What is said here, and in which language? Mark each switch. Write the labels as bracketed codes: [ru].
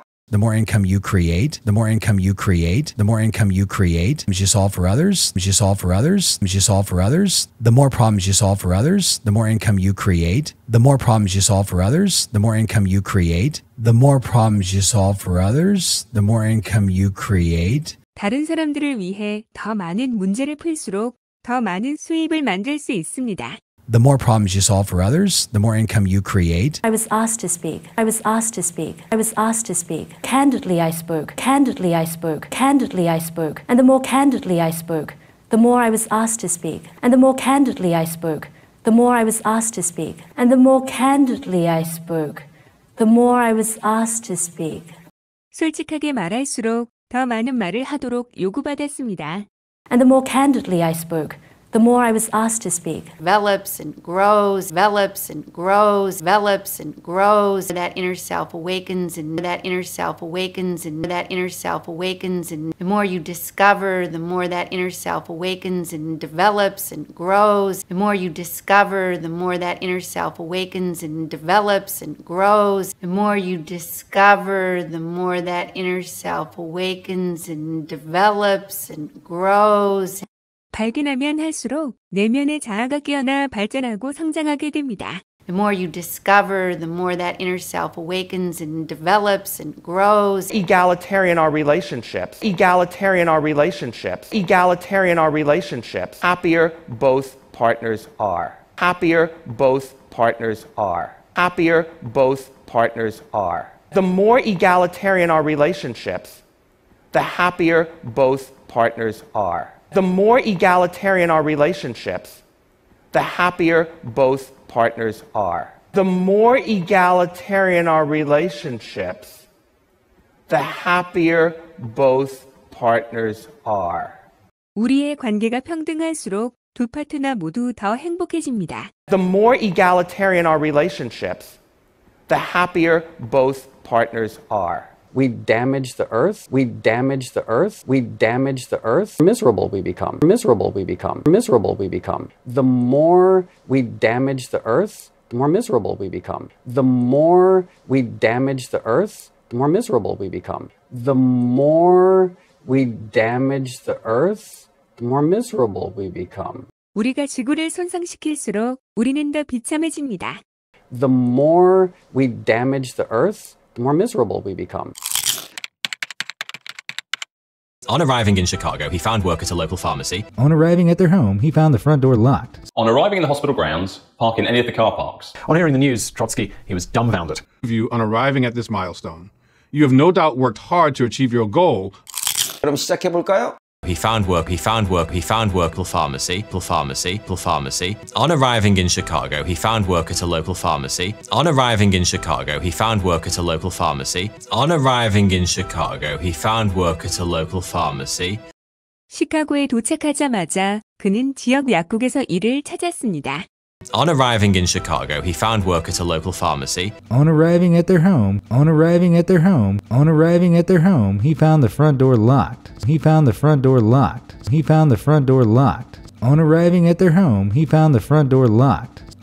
[en] The more income you create, the more income you create, the more income you create, as you solve for others, as you solve for others, as you solve for others, the more problems you solve for others, the more income you create, the more problems you solve for others, the more income you create, the more problems you solve for others, the more income you create. [ko] 다른 사람들을 위해 더 많은 문제를 풀수록 더 많은 수입을 만들 수 있습니다. [en] The more problems you solve for others, the more income you create. I was asked to speak. I was asked to speak. I was asked to speak. Candidly I spoke. Candidly I spoke. Candidly I spoke. And the more candidly I spoke, the more I was asked to speak. And the more candidly I spoke, the more I was asked to speak. And the more candidly I spoke, the more I was asked to speak. [ko] 솔직하게 말할수록 더 많은 말을 하도록 요구받았습니다. [en] And the more candidly I spoke, the more I was asked to speak. Develops and grows, develops and grows, develops and grows. That inner self awakens and that inner self awakens and that inner self awakens. And the more you discover, the more that inner self awakens and develops and grows. The more you discover, the more that inner self awakens and develops and grows. The more you discover, the more that inner self awakens and develops and grows. [ko] 발견하면 할수록 내면의 자아가 깨어나 발전하고 성장하게 됩니다. [en] The more you discover, the more that inner self awakens and develops and grows. Egalitarian our relationships. Egalitarian our relationships. Egalitarian our relationships. Happier both partners are. Happier both partners are. Happier both partners are. The more egalitarian our relationships, the happier both partners are. The more egalitarian our relationships, the happier both partners are. The more egalitarian our relationships, the happier both partners are. [ko] 우리의 관계가 평등할수록 두 파트너 모두 더 행복해집니다. [en] The more egalitarian our relationships, the happier both partners are. We damage the earth. We damage the earth. We damage the earth. Miserable we become. Miserable we become. Miserable we become. The more we damage the earth, the more miserable we become. The more we damage the earth, the more miserable we become. The more we damage the earth, the more miserable we become. [ko] 우리가 지구를 손상시킬수록 우리는 더 비참해집니다. [en] The more we damage the earth, the more miserable we become. On arriving in Chicago, he found work at a local pharmacy. On arriving at their home, he found the front door locked. On arriving in the hospital grounds, park in any of the car parks. On hearing the news, Trotsky, he was dumbfounded. View on arriving at this milestone. You have no doubt worked hard to achieve your goal. He found work at a local pharmacy. On arriving in Chicago, he found work at a local pharmacy. On arriving in Chicago, he found work at a local pharmacy. On arriving in Chicago, he found work at a local pharmacy. [ko] 시카고에 도착하자마자 그는 지역 약국에서 일을 찾았습니다. [en] On arriving in Chicago, he found work at a local pharmacy. On arriving at their home, he found the front door locked. On arriving at their home, he found the front door locked.